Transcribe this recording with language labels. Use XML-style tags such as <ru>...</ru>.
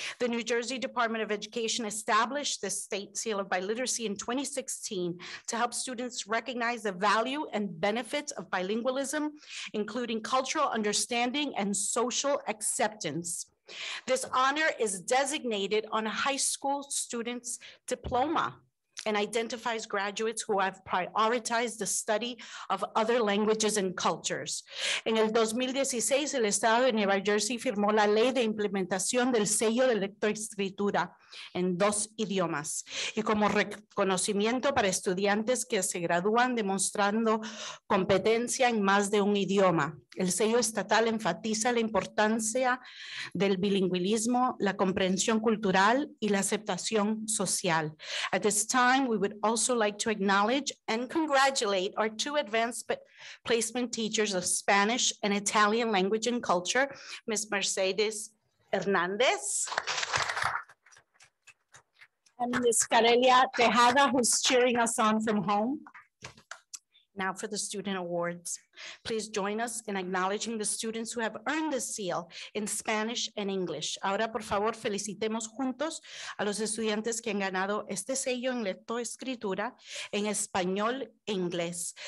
<en>The New Jersey Department of Education established the State Seal of Biliteracy in 2016 to help students recognize the value and benefits of bilingualism, including cultural understanding and social acceptance. This honor is designated on a high school student's diploma and identifies graduates who have prioritized the study of other languages and cultures.</en> <es>En el 2016, el estado de Nueva Jersey firmó la ley de implementación del sello de lectoescritura en dos idiomas. Y como reconocimiento para estudiantes que se gradúan demostrando competencia en más de un idioma, el sello estatal enfatiza la importancia del bilingüismo, la comprensión cultural y la aceptación social.</es> <en>At this time, we would also like to acknowledge and congratulate our two advanced placement teachers of Spanish and Italian language and culture, Ms. Mercedes Hernandez and Ms. Carelia Tejada, who's cheering us on from home. Now for the student awards. Please join us in acknowledging the students who have earned the seal in Spanish and English.</en> <es>Ahora, por favor, felicitemos juntos a los estudiantes que han ganado este sello en lectoescritura en español e inglés.</es>